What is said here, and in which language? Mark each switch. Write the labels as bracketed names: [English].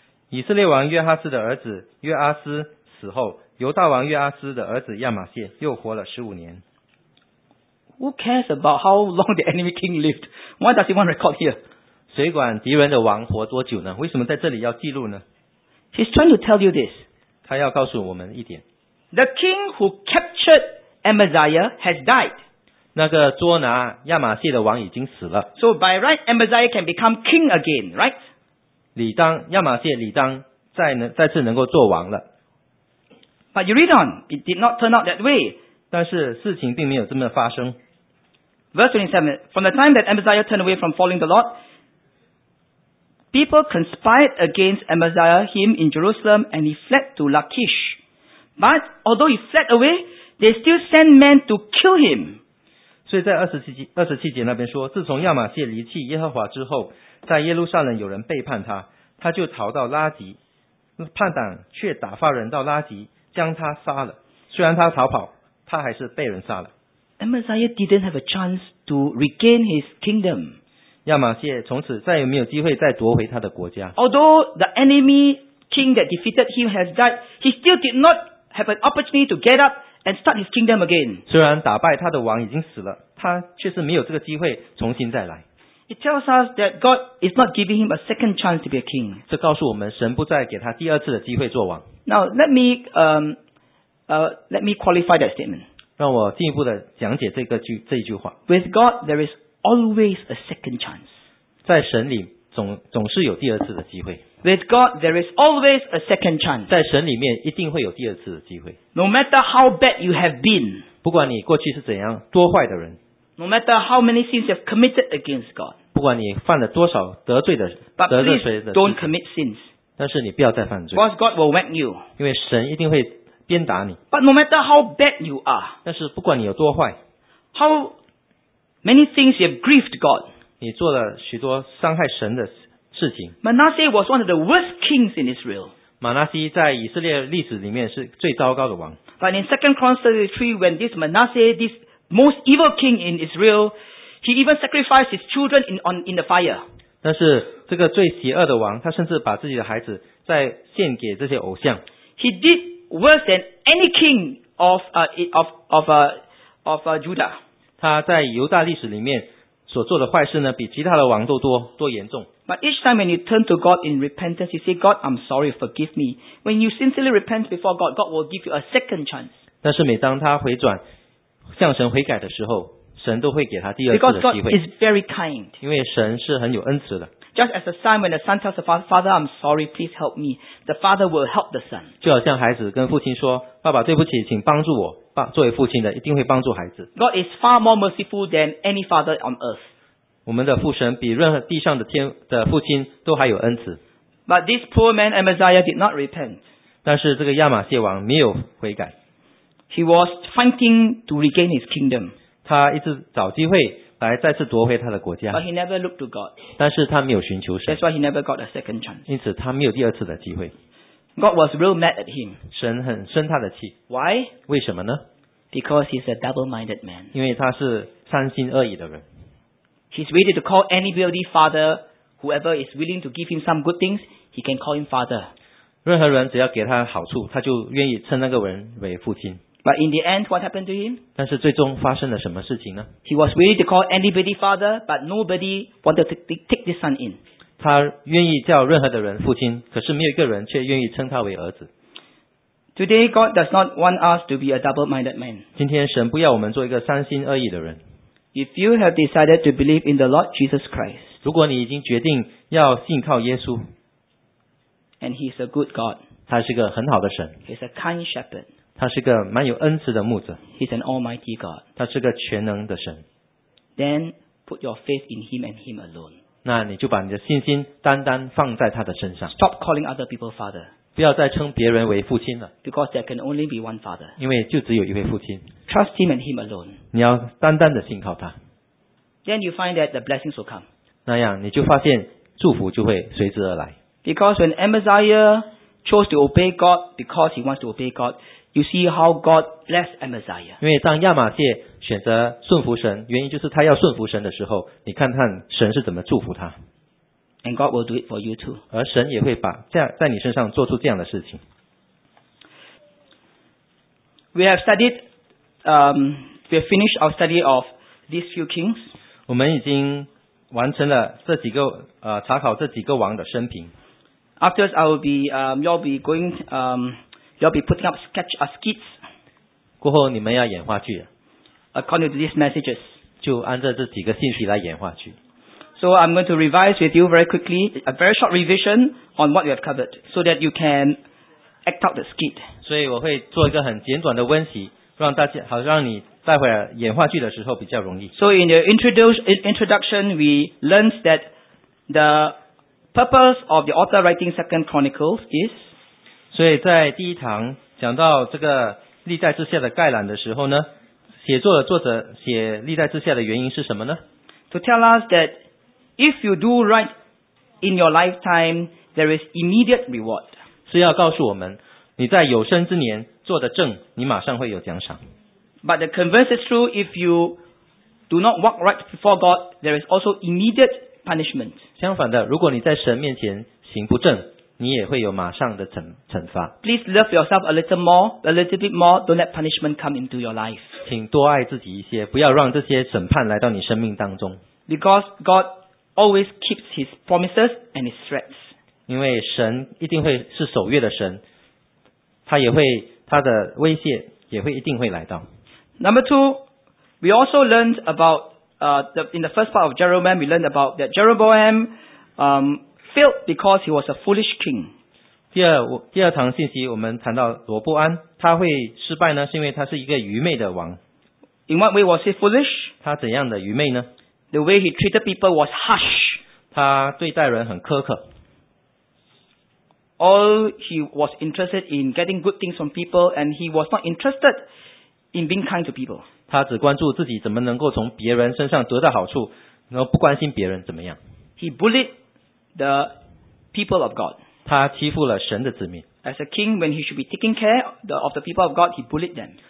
[Chinese] 以色列王约哈斯的儿子约阿斯死后，犹大王约阿斯的儿子亚玛谢又活了15年。 [English] Who cares about how long the enemy king lived? Why does he want to record here? [Chinese] 谁管敌人的王活多久呢？为什么在这里要记录呢？ [English] He's trying to tell you this. [Chinese] 他要告诉我们一点。 [English] The king who captured Amaziah has died. [Chinese] 那个捉拿亚玛谢的王已经死了。 [English] So by right, Amaziah can become king again, right? [Chinese] 理当亚玛谢理当 再次能够做王了。 [English] But you read on, it did not turn out that way. [Chinese] 但是事情并没有这么发生。 [English] Verse 27, from the time that Amaziah turned away from following the Lord, people conspired against Amaziah, him in Jerusalem, and he fled to Lachish. But although he fled away, they still sent men to kill him. [Chinese] 所以在二十七节那边说，自从亚玛谢离弃耶和华之后，在耶路撒冷有人背叛他，他就逃到拉吉，叛党却打发人到拉吉将他杀了。虽然他逃跑，他还是被人杀了。 [English] Amaziah didn't have a chance to regain his kingdom. [Chinese] 亚玛谢从此再也没有机会再夺回他的国家。 [English] Although the enemy king that defeated him has died, he still did not have an opportunity to get up and start his kingdom again. [Chinese] 虽然打败他的王已经死了，他却是没有这个机会重新再来。 [English] It tells us that God is not giving him a second chance to be a king. [Chinese] 这告诉我们神不再给他第二次的机会做王。 [English] Now let me qualify that statement. [Chinese] 让我进一步的讲解这一句话。 [English] With God, there is always a second chance. [Chinese] 在神里总是有第二次的机会。 [English] With God, there is always a second chance. [Chinese] 在神里面一定会有第二次的机会。 [English] No matter how bad you have been. [Chinese] 不管你过去是怎样多坏的人。 [English] No matter how many sins you have committed against God. [Chinese] 不管你犯了多少得罪的得罪谁的。 [English] Don't commit sins. [Chinese] 但是你不要再犯罪。 [English] Because God will whack you. [Chinese] 因为神一定会鞭打你。 [English] But no matter how bad you are. [Chinese] 但是不管你有多坏。 [English] How many things you have grieved God. [Chinese] 你做了许多伤害神的事情。 [English] Manasseh was one of the worst kings in Israel. [Chinese] 马拿西在以色列历史里面是最糟糕的王。 [English] But in 2 Chronicles 33, when this Manasseh, this most evil king in Israel, he even sacrificed his children in the fire. [Chinese] 但是这个最邪恶的王，他甚至把自己的孩子在献给这些偶像。 [English] He did worse than any king of Judah. [Chinese] 他在犹大历史里面所做的坏事呢，比其他的王都多严重。 [English] But each time when you turn to God in repentance, you say, God, I'm sorry, forgive me. When you sincerely repent before God, God will give you a second chance. [Chinese] 但是每当他回转向神悔改的时候，神都会给他第二次的机会。 [English] Because God is very kind. [Chinese] 因为神是很有恩慈的。 [English] Just as a son, when the son tells the father, Father, I'm sorry, please help me. The father will help the son. [Chinese] 就好像孩子跟父亲说，爸爸对不起，请帮助我。爸，作为父亲的一定会帮助孩子。 [English] God is far more merciful than any father on earth. [Chinese] 我们的父神比任何地上的天的父亲都还有恩慈。 [English] But this poor man Amaziah did not repent. [Chinese] 但是这个亚玛谢王没有悔改。 [English] He was fighting to regain his kingdom. [Chinese] 他一直找机会来再次夺回他的国家。 [English] But he never looked to God. [Chinese] 但是他没有寻求神。 [English] That's why he never got a second chance. [Chinese] 因此他没有第二次的机会。 [English] God was real mad at him. [Chinese] 神很生他的气。 [English] Why? [Chinese] 为什么呢？ [English] Because he's a double-minded man. [Chinese] 因为他是三心二意的人。 [English] He's ready to call anybody father. Whoever is willing to give him some good things, he can call him father. [Chinese] 任何人只要给他好处，他就愿意称那个人为父亲。 [English] But in the end, what happened to him? [Chinese] 但是最终发生了什么事情呢？ [English] He was ready to call anybody father, but nobody wanted to take this son in. [Chinese] 他愿意叫任何的人父亲，可是没有一个人却愿意称他为儿子。 [English] Today, God does not want us to be a double-minded man. [Chinese] 今天神不要我们做一个三心二意的人。 [English] If you have decided to believe in the Lord Jesus Christ, [Chinese] 如果你已经决定要信靠耶稣， [English] and he is a good God, [Chinese] 他是个很好的神， [English] he is a kind shepherd, [Chinese] 他是个蛮有恩慈的牧者。 [English] He's an Almighty God. [Chinese] 他是个全能的神。 [English] Then put your faith in Him and Him alone. [Chinese] 那你就把你的信心单单放在他的身上。 [English] Stop calling other people father. [Chinese] 不要再称别人为父亲了。 [English] Because there can only be one father. [Chinese] 因为就只有一位父亲。 [English] Trust Him and Him alone. [Chinese] 你要单单的信靠他。 [English] Then you find that the blessings will come. [Chinese] 那样你就发现祝福就会随之而来。 [English] Because when Amaziah chose to obey God because he wants to obey God. You see how God blessed Amaziah. [Chinese] 因为当亚玛谢选择顺服神，原因就是他要顺服神的时候，你看看神是怎么祝福他。 [English] And God will do it for you too. [Chinese] 而神也会把这样在你身上做出这样的事情。 [English] We have studied, we have finished our study of these few kings. [Chinese] 我们已经完成了这几个查考这几个王的生平。 [English] After I will be, you'll be going, you'll be putting up sketch or skits. [Chinese] 过后你们要演话剧。 [English] According to these messages. [Chinese] 就按照这几个信息来演话剧。 [English] So I'm going to revise with you very quickly, a very short revision on what you have covered, so that you can act out the skit. [Chinese] 所以我会做一个很简短的温习，让大家好让你待会儿演话剧的时候比较容易。 [English] So in the introduction, we learned that the purpose of the author writing Second Chronicles is. [Chinese] 所以在第一堂讲到这个历代之下的概览的时候呢，写作的作者写历代之下的原因是什么呢 [English] ？To tell us that if you do right in your lifetime, there is immediate reward. [Chinese] 是要告诉我们，你在有生之年做的正，你马上会有奖赏。 [English] But the converse is true. If you do not walk right before God, there is also immediate punishment. [Chinese] 相反的，如果你在神面前行不正，你也会有马上的惩罚。 [English] Please love yourself a little bit more. Don't let punishment come into your life. [Chinese] 请多爱自己一些，不要让这些审判来到你生命当中。 [English] Because God always keeps His promises and His threats. [Chinese] 因为神一定会是守约的神，他也会他的威胁也会一定会来到。 [English] Number two, we also learned about in the first part of Jeroboam, we learned about that Jeroboam failed because he was a foolish king. [Chinese] 第二堂信息我们谈到罗伯安，他会失败呢，是因为他是一个愚昧的王。 [English] In what way was he foolish? [Chinese] 他怎样的愚昧呢 [English] ？The way he treated people was harsh. [Chinese] 他对待人很苛刻。 [English] All he was interested in getting good things from people, and he was not interested in being kind to people. [Chinese] 他只关注自己怎么能够从别人身上得到好处，然后不关心别人怎么样。 [English] He bullied the people of God. [Chinese] 他欺负了神的子民。 [English] As a king, when he should be taking care of the people of God, he bullied them.